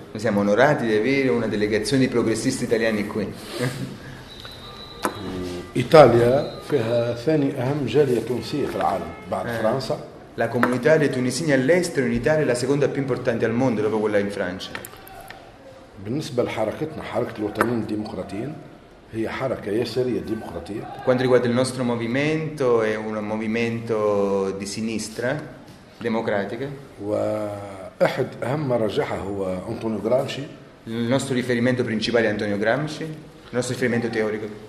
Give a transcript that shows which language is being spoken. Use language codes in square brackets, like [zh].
[it] Siamo onorati di avere una delegazione di progressisti italiani qui. [ar] إيطاليا فيها ثاني أهم جالية تونسية في العالم بعد فرنسا. [it] La comunità dei tunisini all'estero in Italia è la seconda più importante al mondo dopo quella in Francia. [ar] بالنسبة لحركتنا حركة الوطنيين الديمقراطيين هي حركة يسارية ديمقراطية. [it] Quanto riguarda il nostro movimento è un movimento di sinistra democratica. [ar] واحد أهم مرجعها هو أنطونيو غرامشي. [it] Il nostro riferimento principale è Antonio Gramsci. Il nostro riferimento teorico.